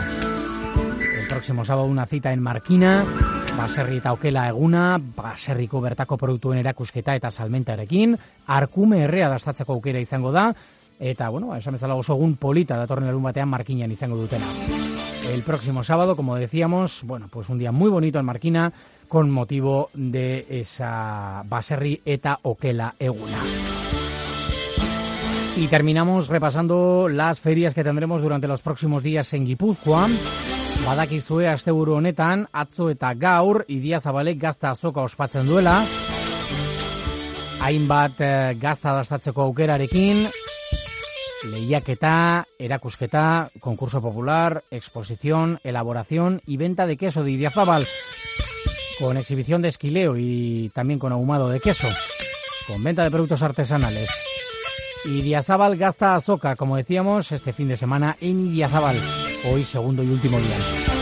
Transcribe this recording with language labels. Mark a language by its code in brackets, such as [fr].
[es] El próximo sábado una cita en Markina, [eu] Baserri eta Okela Eguna, Baserriko bertako produktuen erakusketa eta salmentarekin, Arkume Herria dastatzeko aukera izango da, eta bueno, esan bezala oso egun polita datorren larun batean Markinan izango dutena. [es] El próximo sábado, como decíamos, bueno, pues un día muy bonito en Markina, con motivo de esa Baserri eta Okela Eguna. Y terminamos repasando las ferias que tendremos durante los próximos días en Gipuzkoa. [eu] Badakizue asteburu honetan, atzo eta gaur, Idia Zabalek gazta azoka ospatzen duela. Hainbat gazta dastatzeko aukerarekin. Lehiaketa, erakusketa, [es] concurso popular, exposición, elaboración y venta de queso de Idiazabal, con exhibición de esquileo y también con ahumado de queso, con venta de productos artesanales. Idiazabal gasta azoka, como decíamos, este fin de semana en Idiazabal, hoy segundo y último día.